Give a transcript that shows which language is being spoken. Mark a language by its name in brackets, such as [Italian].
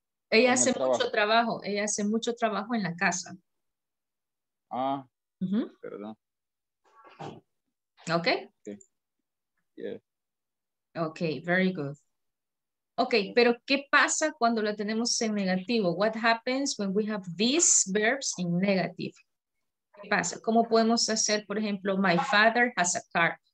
[Spanish] Ella hace mucho trabajo. Ella hace mucho trabajo en la casa. Ah, mm-hmm. perdón. [English] Okay. Yeah. Okay, very good. [Spanish] Okay, pero ¿qué pasa cuando lo tenemos en negativo? [English] What happens when we have these verbs in negative? [Spanish] ¿Qué pasa? ¿Cómo podemos hacer, por ejemplo, [English] my father has a car?